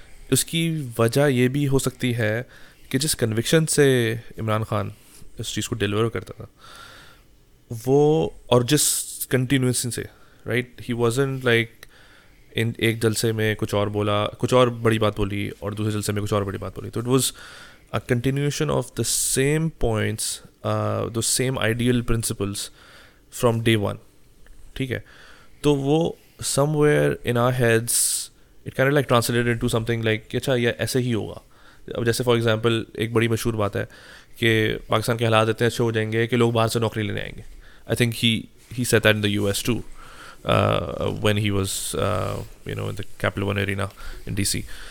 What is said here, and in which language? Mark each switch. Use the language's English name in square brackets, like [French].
[Urdu] اس کی وجہ یہ بھی ہو سکتی ہے کہ جس کنوکشن سے عمران خان اس چیز کو ڈیلیور کرتا تھا وہ, اور جس کنٹینیوسی سے, [English] right, he wasn't like [Urdu] ان ایک جلسے میں کچھ اور بولا, کچھ اور بڑی بات بولی اور دوسرے جلسے میں کچھ اور بڑی بات بولی. [English] تو it was a continuation of the same points, the same ideal principles from day one, [Urdu] ٹھیک ہے. [English] تو وہ somewhere in our heads it can like translated into something like [Urdu] کہ اچھا یہ ایسے ہی ہوگا. اب جیسے [English] for example [Urdu] ایک بڑی مشہور بات ہے کہ پاکستان کے حالات اتنے اچھے ہو جائیں گے کہ لوگ باہر سے نوکری لینے آئیں گے. [English] I think he said that in the U S too when he was you know in the Capital One Arena in D C.